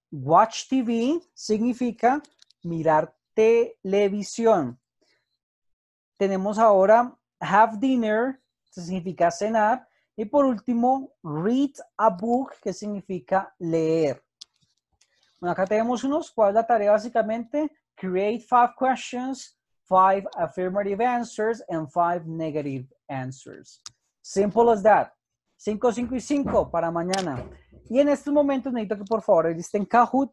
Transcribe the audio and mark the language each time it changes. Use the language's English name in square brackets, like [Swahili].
[English] Watch TV [Spanish] significa mirar televisión. Tenemos ahora [English] have dinner, [Spanish] significa cenar. Y por último, [English] read a book, [Spanish] que significa leer. Bueno, acá tenemos unos. ¿Cuál es la tarea básicamente? [English] Create 5 questions, 5 affirmative answers, and 5 negative answers. Simple as that. [Spanish] 5, 5 y 5 para mañana. Y en estos momentos necesito que por favor estén Kahoot.